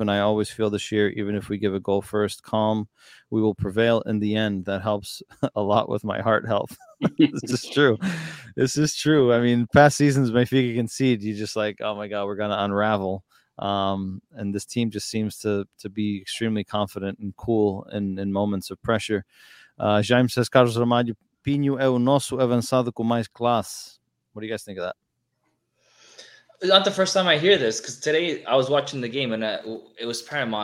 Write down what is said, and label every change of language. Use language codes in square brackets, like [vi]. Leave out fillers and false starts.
[en] And I always feel this year, even if we give a goal first, calm, we will prevail in the end. That helps a lot with my heart health. This is true. I mean, past seasons, Benfica concede, you just like, oh my God, we're going to unravel. And this team just seems to be extremely confident and cool in moments of pressure. [pt] Jaime [en] says, [pt] Carlos Ramalho, Pinho é o nosso avançado com mais classe. [en] What do you guys think of that? It's not the first time I hear this, because today I was watching the game and it was Paramount.